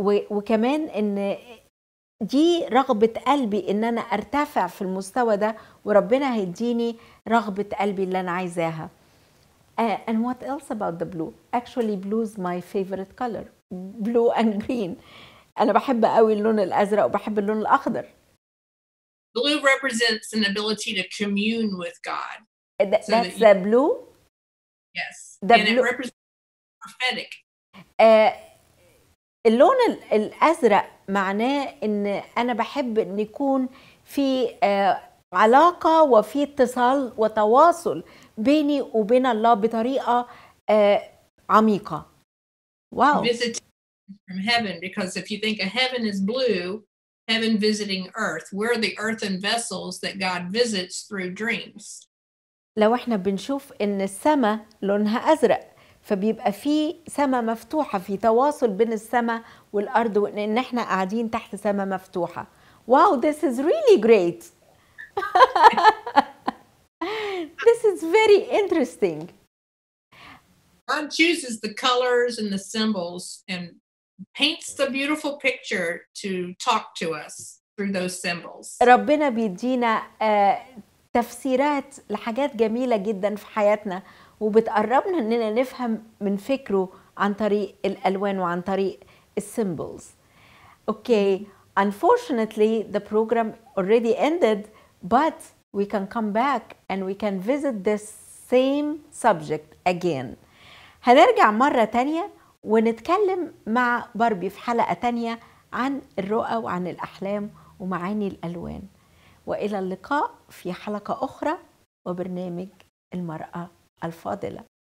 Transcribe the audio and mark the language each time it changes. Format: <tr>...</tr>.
<ar>وكمان ان دي رغبة قلبي ان انا ارتفع في المستوى ده، وربنا هيديني رغبة قلبي اللي انا عايزاها.</ar> <en>And what else about the blue? Actually, blue is my favorite color. Blue and green.</en> <ar>أنا بحب قوي اللون الأزرق وبحب اللون الأخضر.</ar> <en>Blue represents an ability to commune with God. That's the blue? Yes. And it represents prophetic.</en> <ar>اللون الأزرق معناه إن أنا بحب إن يكون في علاقة وفي اتصال وتواصل بيني وبين الله بطريقة عميقة.</ar> <en>Wow. Visiting from heaven, because if you think a heaven is blue, heaven visiting earth, we're the earthen vessels that God visits through dreams.</en> <ar>لو إحنا بنشوف إن السماء لونها أزرق فبيبقى في سماء مفتوحة في تواصل بين السماء والأرض وإن إحنا قاعدين تحت سماء مفتوحة.</ar> <en>Wow, this is really great. This is very interesting. God chooses the colors and the symbols and paints the beautiful picture to talk to us through those symbols.</en> <ar>ربنا بيدينا تفسيرات لحاجات جميلة جدا في حياتنا وبتقربنا اننا نفهم من فكره عن طريق الالوان وعن طريق السيمبلز.</ar> <en>Okay, unfortunately the program already ended, but we can come back and we can visit this same subject again.</en> <ar>هنرجع مرة تانية ونتكلم مع باربي في حلقة تانية عن الرؤى وعن الأحلام ومعاني الألوان. وإلى اللقاء في حلقة أخرى وبرنامج المرأة الفاضلة.</ar>